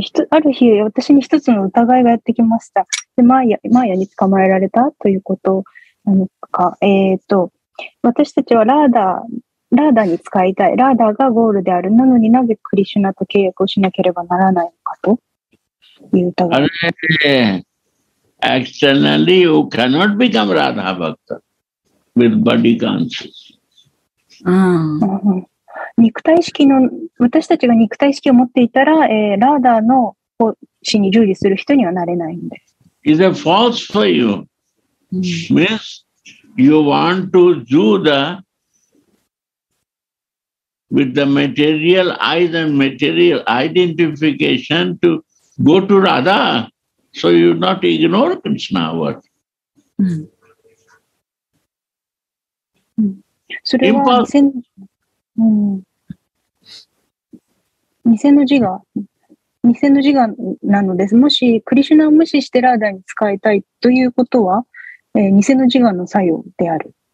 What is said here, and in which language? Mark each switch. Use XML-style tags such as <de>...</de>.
<ja>ある日私に一つの疑いがやってきました。でマーヤに捕まえられたということなのか、私たちはラーダに使いたい、ラーダがゴールである、なのになぜクリシュナと契約をしなければならないのかという疑い。</ja> <en>あれ、externally you cannot become Radha Bhakta with body consciousness。</en> <ja>肉体式の、私たちが肉体式を持っていたら、ラーダーの奉仕に従事する人にはなれないんです。</ja> <en>Is it false for you? Means you want to do the with the material eyes and material identification to go to Radha, so you not ignore Krishna what?</en> <ja>それは偽の自我なのです。もしクリシュナを無視してラーダに使いたいということは、偽の自我の作用である。</ja>